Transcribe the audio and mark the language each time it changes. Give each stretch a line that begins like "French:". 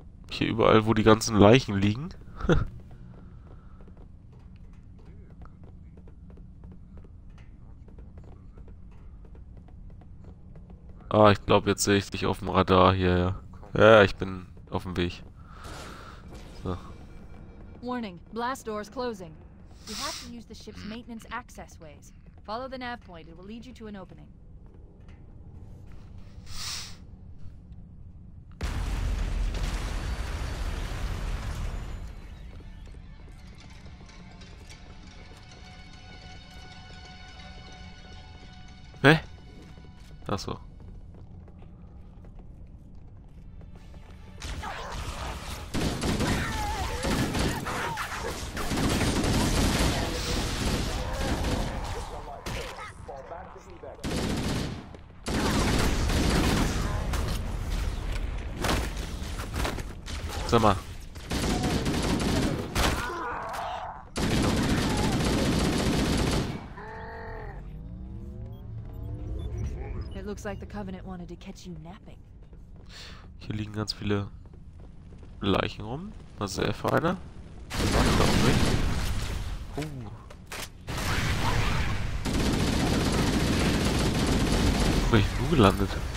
German: Hier überall, wo die ganzen Leichen liegen. Ah, ich glaube, jetzt sehe ich dich auf dem Radar hier, ja. Ja, ich bin auf dem Weg. So.
English: Warning, blast doors closing. You have to use the ship's maintenance access ways. Follow the nav point, it will lead you to an opening.
German: Hä? Ach so. Sag mal.
English: It looks like the Covenant wanted to catch you napping.
German: Hier liegen ganz viele Leichen rum. Was ist der für einer? Das war ich glaube nicht. Wo bin ich denn gelandet?